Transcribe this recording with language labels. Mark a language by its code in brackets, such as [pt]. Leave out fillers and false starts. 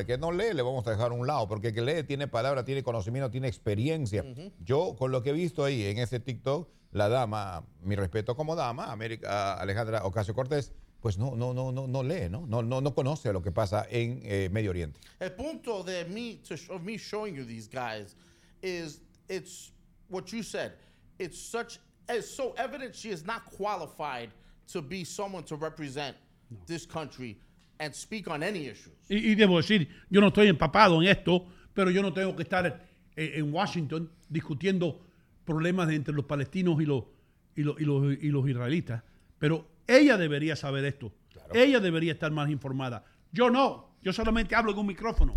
[es] El que no lee, le vamos a dejar a un lado, porque el que lee tiene palabra, tiene conocimiento, tiene experiencia. Uh-huh. Yo, con lo que he visto ahí en ese TikTok, la dama, mi respeto como dama, América, Alejandra Ocasio-Cortez, pues no lee, no conoce lo que pasa en Medio Oriente. El punto de [en] me showing you these guys is it's what you said. It's so evident she is not qualified to be someone to represent this country and speak on any issues. [es] Y debo decir, yo no estoy empapado en esto, pero yo no tengo que estar en Washington discutiendo problemas entre los palestinos y los israelitas, pero ella debería saber esto. Claro. Ella debería estar más informada. Yo no. Yo solamente hablo en un micrófono.